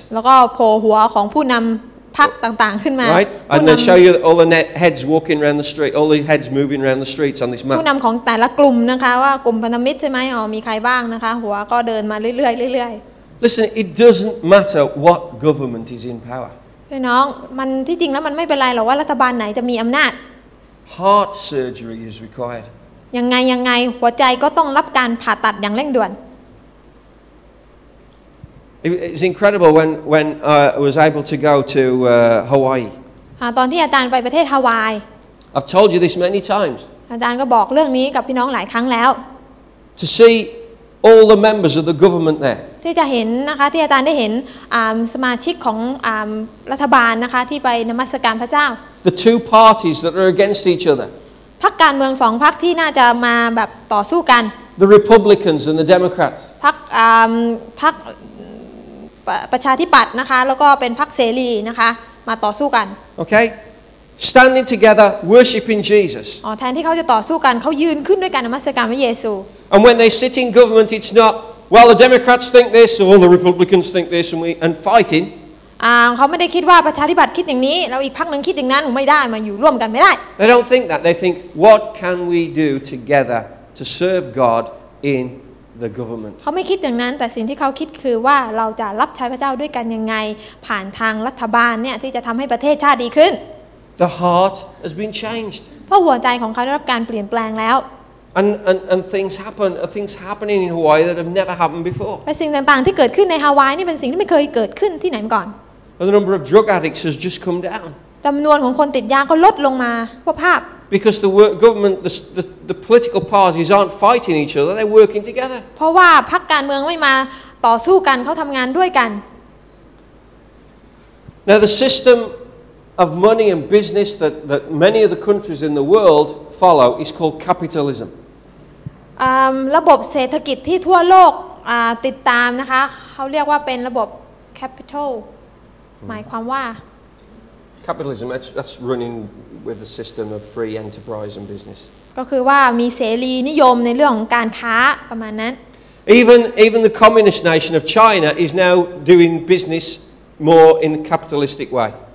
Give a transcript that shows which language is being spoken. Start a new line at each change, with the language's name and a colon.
Thai: แล้วก็โผล่หัวของผู้นำพรรคต่างๆขึ้นมา
English: Right. And they show you all the heads walking around the street, all the heads moving around the streets on this map.
Thai: ผู้นำของแต่ละกลุ่มนะคะว่ากลุ่มพันธมิตรใช่ไหมอ๋อมีใครบ้างนะคะหัวก็เดินมาเรื่อยๆเรื่อย
English: ๆ Listen. It doesn't matter what government is in power.
Thai: พี่น้องมันที่จริงแล้วมันไม่เป็นไรหรอกว่ารัฐบาลไหนจะมีอำนาจ
English: Heart surgery is required.
Thai: ยังไงหัวใจก็ต้องรับการผ่าตัดอย่างเร่งด่วน
English: It's incredible when I was able to go to Hawaii.
Thai: ตอนที่อาจารย์ไปประเทศฮาวาย
English: I've told you this many times.
Thai: อาจารย์ก็บอกเรื่องนี้กับพี่น้องหลายครั้งแล้ว
English: To see all the members of the government there.
Thai: ที่จะเห็นนะคะที่อาจารย์ได้เห็นสมาชิกของรัฐบาลนะคะที่ไปนมัสการพระเจ้า
English: The two parties that are against each other.
Thai: พรรคการเมือง2พรรคที่น่าจะมาแบบต่อสู้กัน
English: The Republicans and the Democrats.
Thai: พรรคประชาธิปัตย์นะคะแล้วก็เป็นพรรคเสรีนะคะมาต่อสู้กัน โอเค
English: standing together worshiping Jesus
Thai: อ๋อแทนที่เขาจะต่อสู้กันเขายืนขึ้นด้วยกันนมัสการพระเยซู
English: and when they sit in government it's not well the Democrats think this or the Republicans think this and fighting
Thai: เขาไม่ได้คิดว่าประชาธิปัตย์คิดอย่างนี้แล้วอีกพรรคนึงคิดอย่างนั้นไม่ได้มาอยู่ร่วมกันไม่ได้
English: they don't think that they think what can we do together to serve God inthe government
Thai: เขาไม่คิดอย่างนั้นแต่สิ่งที่เขาคิดคือว่าเราจะรับใช้พระเจ้าด้วยกันยังไงผ่านทางรัฐบาลเนี่ยที่จะทำให้ประเทศชาติดีขึ้น
English: The heart has been changed
Thai: เพราะหัวใจของเขาได้รับการเปลี่ยนแปลงแล้ว
English: And things happening in Hawaii that have never happened before
Thai: และสิ่งต่างๆที่เกิดขึ้นในฮาวายนี่เป็นสิ่งที่ไม่เคยเกิดขึ้นที่ไหนมาก่อน
English: And the number of drug addicts has just come down
Thai: จำนวนของคนติดยาก็ลดลงมาพวกภาพ
English: Because the government, the political parties aren't fighting each other; they're working together.
Thai: เพราะว่าพรรคการเมืองไม่มาต่อสู้กันเขาทำงานด้วยกัน
English: Now the system of money and business that many of the countries in the world follow is called capitalism.
Thai: ระบบเศรษฐกิจที่ทั่วโลกติดตามนะคะเขาเรียกว่าเป็นระบบ capital หมายความว่า
English: capitalism that's running with the system of free enterprise and business
Thai: ก็คือว่ามีเสรีนิยมในเรื่องของการค้าประมาณนั้น
English: even the communist nation of China is now doing business more in a capitalistic way